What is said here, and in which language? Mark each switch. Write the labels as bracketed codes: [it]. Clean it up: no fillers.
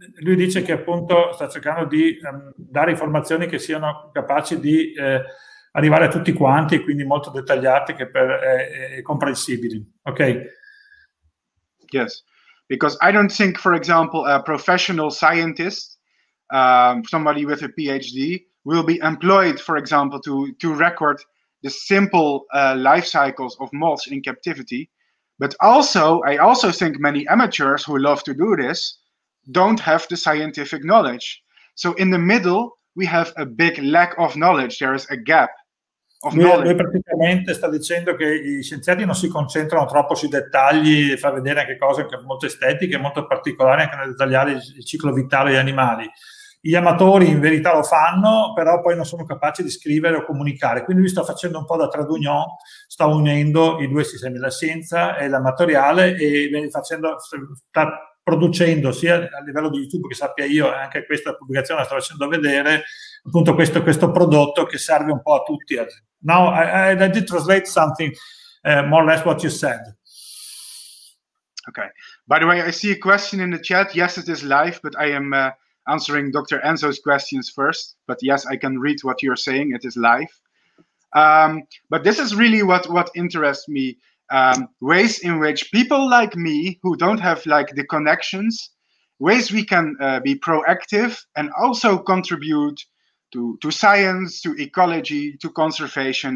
[it] Lui dice che appunto sta cercando di dare informazioni che siano capaci di arrivare a tutti quanti, quindi molto dettagliate che per comprensibili. Ok. [en] Yes, because I don't think, for example, a professional scientist, somebody with a PhD, will be employed, for example, to record the simple life cycles of moths in captivity. But also, I also think many amateurs who love to do this don't have the scientific knowledge. So in the middle, we have a big lack of knowledge. There is a gap of knowledge. [it] Lui praticamente sta dicendo che I scienziati non si concentrano troppo sui dettagli, fa vedere anche cose che molto estetiche, molto particolari, anche nel dettagliare il ciclo vitale degli animali. Gli amatori in verità lo fanno, però poi non sono capaci di scrivere o comunicare. Quindi lui sta facendo un po' da tradugnon, sta unendo I due sistemi, la scienza e l'amatoriale, e facendo, sta producendo sia a livello di YouTube, che sappia io, anche questa pubblicazione la sto facendo vedere, appunto questo prodotto che serve un po' a tutti. [en] Now, I did translate something, more or less what you said. Okay. By the way, I see a question in the chat. Yes, it is live, but I am... answering Dr. Enzo's questions first, but yes, I can read what you're saying, it is live. But this is really what interests me, ways in which people like me, who don't have like the connections, ways we can be proactive and also contribute to science, to ecology, to conservation.